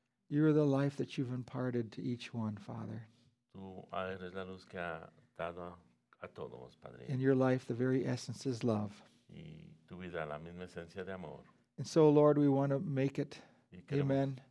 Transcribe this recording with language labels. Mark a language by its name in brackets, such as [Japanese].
[English] You are the life that you've imparted to each one, Father. [Spanish] Tú eres la luz que ha dado a todos, Padre. [English] In your life, the very essence is love. [Spanish] Y tu vida, la misma esencia de amor. [English] And so, Lord, we want to make it, amen,